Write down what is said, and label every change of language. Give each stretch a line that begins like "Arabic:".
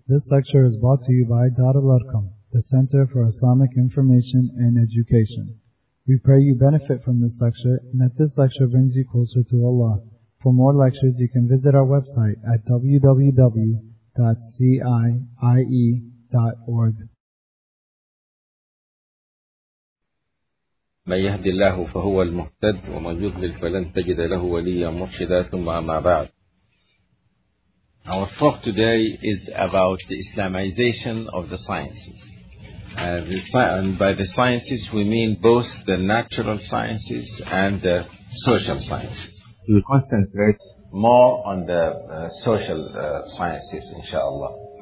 English: This lecture is brought to you by Darul Arqam, the Center for Islamic Information and Education. We pray you benefit from this lecture and that this lecture brings you closer to Allah. For more lectures, you can visit our website at www.ciie.org.
Arabic: من يهدي الله فهو المهتد ومن يضلل فلن تجد له وليا مرشدا ثم أما بعد.
English: Our talk today is about the Islamization of the sciences. And by the sciences we mean both the natural sciences and the social sciences. We will concentrate more on the social sciences, inshallah.